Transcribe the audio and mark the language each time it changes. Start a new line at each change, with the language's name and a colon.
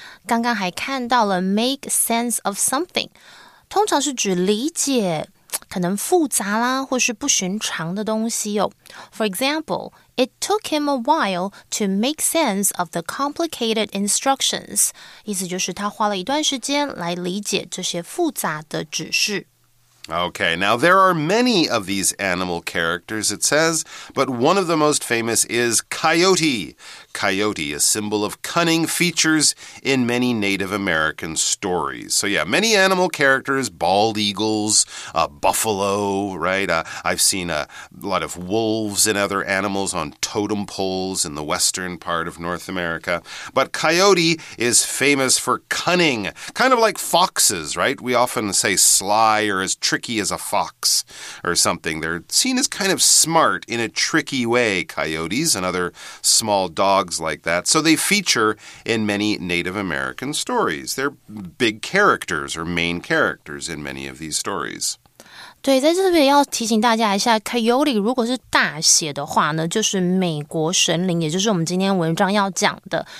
Chinese: 刚刚还看到了
English: make sense of something,
Chinese: 通常是指理解可能复杂啦或是不寻常的东西哦。
English: For example, it took him a while to make sense of the complicated instructions.
Chinese: 意思就是他花了一段时间来理解这些复杂的指示。
English: Okay, now there are many of these animal characters, it says, but one of the most famous is coyote. Coyote, a symbol of cunning, features in many Native American stories. So yeah, many animal characters, bald eagles, buffalo, right? I've seen a lot of wolves and other animals on totem poles in the western part of North America. But coyote is famous for cunning, kind of like foxes, right? We often say sly or as tricky as a fox or something. They're seen as kind of smart in a tricky way, coyotes and other small dogs like that. So they feature in many Native American stories. They're big characters or main characters in many of these stories.
Chinese: 对，在这边要提醒大家一下 coyote 如果是大写的话呢，就是美国神灵，也就是我们今天文章要讲的。